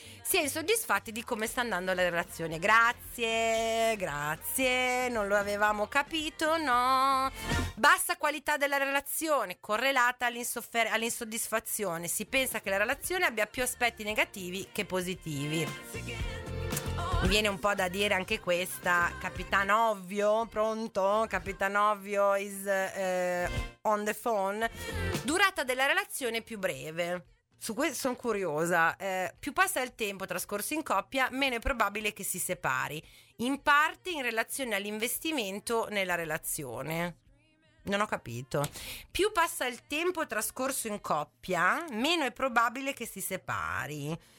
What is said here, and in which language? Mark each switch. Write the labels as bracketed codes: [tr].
[it] sia insoddisfatti di come sta andando la relazione. Grazie, grazie, non lo avevamo capito, no. Bassa qualità della relazione correlata all'insoddisfazione. Si pensa che la relazione abbia più aspetti negativi che positivi. Mi viene un po' da dire anche questa, Capitan Ovvio, pronto? [en] Capitan Ovvio is on the phone. [it] Durata della relazione più breve. Su questo sono curiosa. Più passa il tempo trascorso in coppia, meno è probabile che si separi. In parte in relazione all'investimento nella relazione. Non ho capito. Più passa il tempo trascorso in coppia, meno è probabile che si separi.